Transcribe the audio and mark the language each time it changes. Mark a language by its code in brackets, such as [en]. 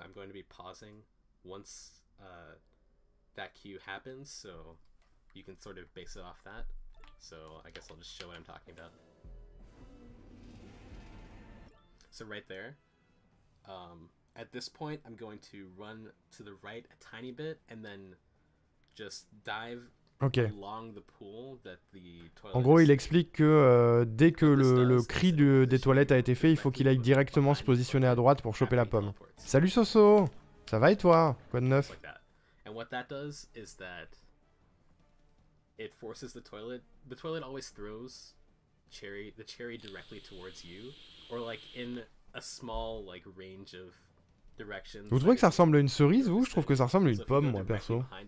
[en] I'm going to be pausing once that cue happens, so you can sort of base it off that. So I guess I'll just show what I'm talking about. So right there. At this point, I'm going to run to the right a tiny bit, and then... Just dive okay. Along the pool that the toilet [fr] en gros, il explique que dès que le cri des toilettes a été fait, il faut qu'il aille directement se positionner à droite pour choper la pomme. Salut Soso, ça va et toi? Quoi de neuf? [en] And what that does is that it forces the toilet. The toilet always throws the cherry directly towards you, or like in a small like range of. [fr] Vous trouvez que ça ressemble à une cerise, vous? Je trouve que ça ressemble à une pomme, moi, perso.